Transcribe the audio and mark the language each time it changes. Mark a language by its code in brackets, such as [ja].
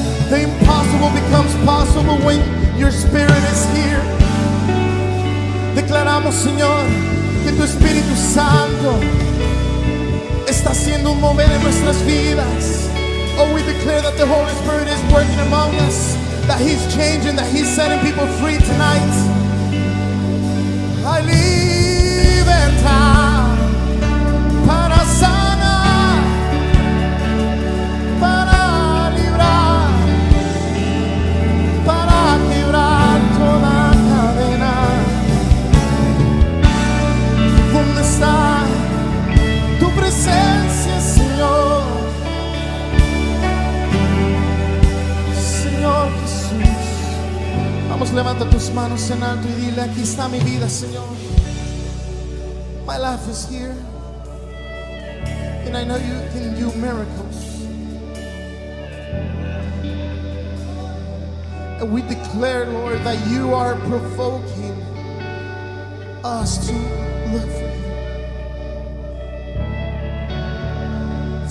[en] The impossible becomes possible when your spirit is here. [es] Declaramos, Señor, que tu Espíritu Santo está haciendo un mover en nuestras vidas. [en] Oh, we declare that the Holy Spirit is working among us, that He's changing, that He's setting people free tonight. [es] Hay libertad para sanar, para librar, para quebrar toda cadena. ¿Dónde está tu presencia, Señor? Señor Jesús, vamos, levanta tus manos en alto y dile: aquí está mi vida, Señor. [en] My life is here, and I know you can do miracles. And we declare, Lord, that you are provoking us to look for you.